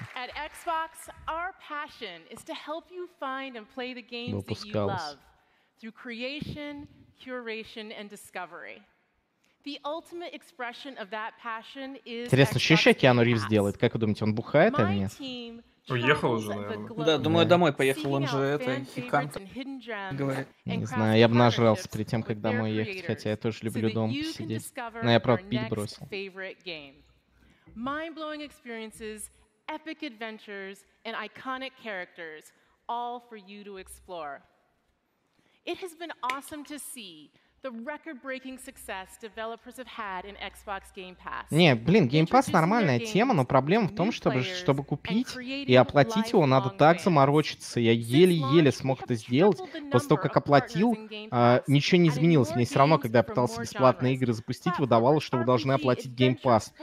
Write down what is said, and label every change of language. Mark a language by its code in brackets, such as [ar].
[en] At Xbox, our passion is to help you find and play the games that you love through creation, curation, and discovery. The ultimate expression of that passion is. [ru] Интересно, что еще Киану Ривз делает? Как вы думаете, он бухает или нет? Уехал уже, наверное. Да, думаю, домой поехал. Он же это хикант. Говорит. Не знаю, я бы нажрался перед тем, как домой ехать, хотя я тоже люблю дом посидеть. Но я правда пить бросил. [en] Mind-blowing experiences, epic adventures, and iconic characters. all for you to explore. It has been awesome to see the record-breaking success developers have had in Xbox Game Pass. [ru] Нет, блин, Game Pass нормальная тема, но проблема в том, чтобы купить и оплатить его, надо так заморочиться. Я еле-еле смог это сделать. После того, как оплатил, ничего не изменилось. Мне все равно, когда я пытался бесплатные игры запустить, выдавалось, что вы должны оплатить Game Pass.